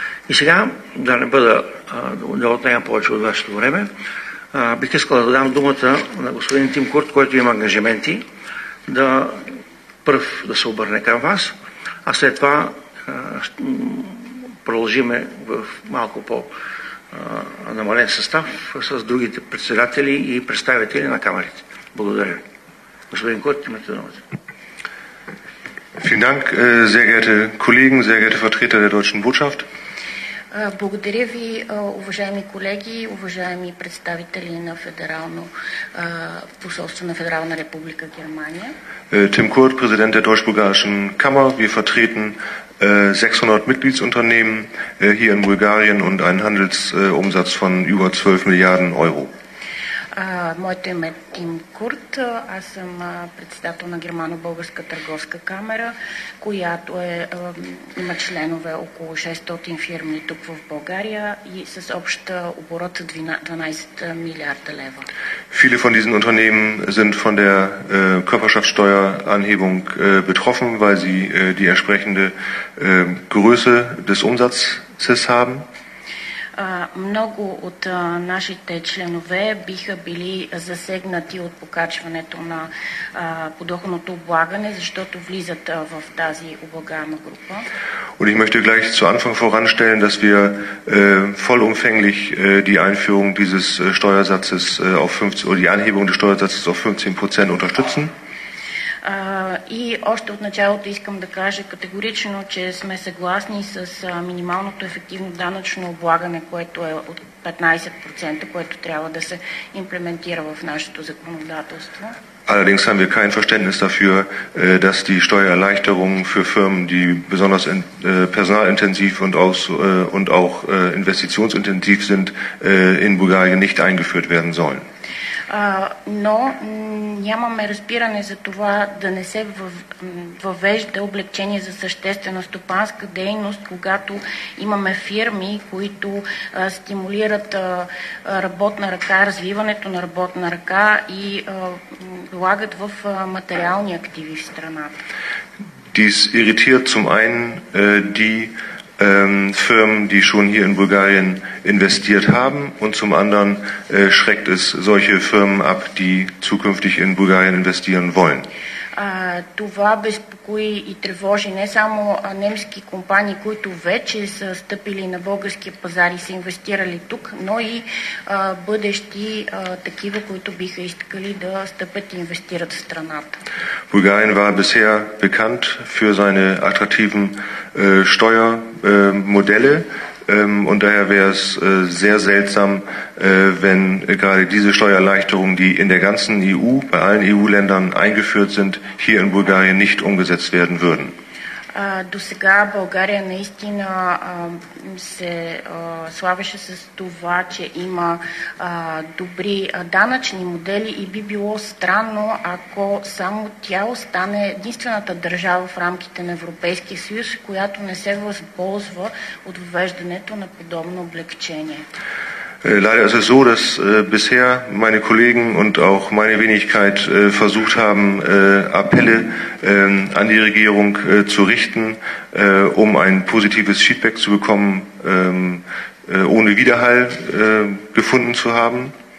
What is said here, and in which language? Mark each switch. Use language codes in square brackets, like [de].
[bg] И сега, да не бъда да отнемам повече от вашето време, бих искал да дам думата на господин Тим Курт, който има ангажименти, да пръв да се обърне към вас, а след това продължиме в малко по-намален състав с другите председатели и представители на камерите. Благодаря. Господин Курт, имате думата. [de] Vielen Dank, sehr geehrte Kollegen, sehr geehrte Vertreter der deutschen Botschaft. [bg] Благодаря ви, уважаеми колеги, уважаеми представители на федерално посолство на Федерална република Германия. [de] Tim Kurt, Präsident der Deutsch-Bulgarischen Kammer. Wir vertreten 600 Mitgliedsunternehmen hier in Bulgarien und einen Handelsumsatz von über 12 Milliarden Euro. [bg] Моето име е Тим Курт. Аз съм председател на Германо-Българска търговска камера, която има членове около 600 фирми тук в България и с обща оборот 12 милиарда лева. [de] Viele von diesen Unternehmen sind von der Körperschaftssteueranhebung betroffen, weil sie die entsprechende Größe des Umsatzes haben. [bg] Много от нашите членове биха били засегнати от покачването на подоходното облагане, защото влизат в тази облагаема група. [de] Und ich möchte gleich zu Anfang voranstellen, dass wir vollumfänglich die Einführung dieses Steuersatzes auf 15 oder die Anhebung des Steuersatzes auf 15% unterstützen. [bg] И още от началото искам да кажа категорично, че сме съгласни с минималното ефективно данъчно облагане, което е от 15%, което трябва да се имплементира в нашето законодателство. [de] Allerdings haben wir kein Verständnis dafür, dass die Steuererleichterung für Firmen, die besonders personalintensiv und auch investitionsintensiv sind, in Bulgarien nicht eingeführt werden sollen. [bg] Но нямаме разбиране за това да не се въвежда облекчение за съществена стопанска дейност, когато имаме фирми, които стимулират работна ръка, развиването на работна ръка и влагат в материални активи в страната. [de] Dies irritiert zum einen die Firmen, die schon hier in Bulgarien investiert haben, und zum anderen schreckt es solche Firmen ab, die zukünftig in Bulgarien investieren wollen. [bg] Това безпокои и тревожи не само немски компании, които вече са стъпили на българския пазар и са инвестирали тук, но и бъдещи такива, които биха искали да стъпят и инвестират в страната. [de] Bulgarien war bisher bekannt für seine attraktiven Steuermodelle. Und daher wäre es sehr seltsam, wenn gerade diese Steuererleichterungen, die in der ganzen EU, bei allen EU-Ländern eingeführt sind, hier in Bulgarien nicht umgesetzt werden würden. [bg] До сега България наистина се славеше с това, че има добри данъчни модели и би било странно, ако само тя остане единствената държава в рамките на Европейския съюз, която не се възползва от въвеждането на подобно облекчение. [de] Leider ist es so, dass bisher meine Kollegen und auch meine Wenigkeit versucht haben, Appelle an die Regierung zu richten, um ein positives Feedback zu bekommen, ohne Widerhall gefunden zu haben.